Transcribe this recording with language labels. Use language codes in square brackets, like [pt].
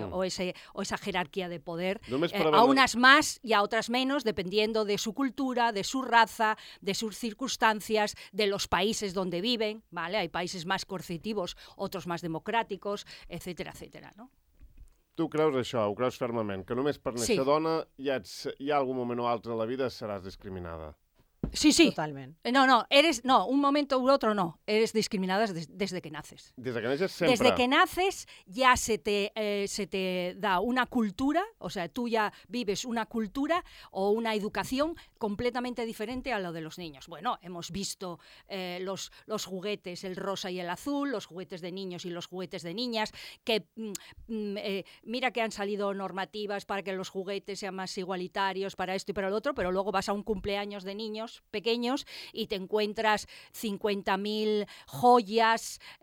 [es] o esa jerarquía de poder, a unas más y a otras menos, dependiendo de su cultura, de su raza, de sus circunstancias, de los países donde viven, ¿vale? Hay países más coercitivos, otros más democráticos, etcétera, etcétera, ¿no? [ca] Tu creus això, ho creus fermament, que només per néixer dona hi ha algun moment o altre a la vida seràs discriminada. Sí, sí. Totalment. [es] No, un momento u otro no. Eres discriminada desde que naces. Desde que naces sempre. Desde que naces ya se te da una cultura, o sea, tú ya vives una cultura o una educación completamente diferente a la de los niños. Bueno, hemos visto los juguetes, el rosa y el azul, los juguetes de niños y los juguetes de niñas, que mira que han salido normativas para que los juguetes sean más igualitarios para esto y para lo otro, pero luego vas a un cumpleaños de niños pequeños y te encuentras 50.000 joyas,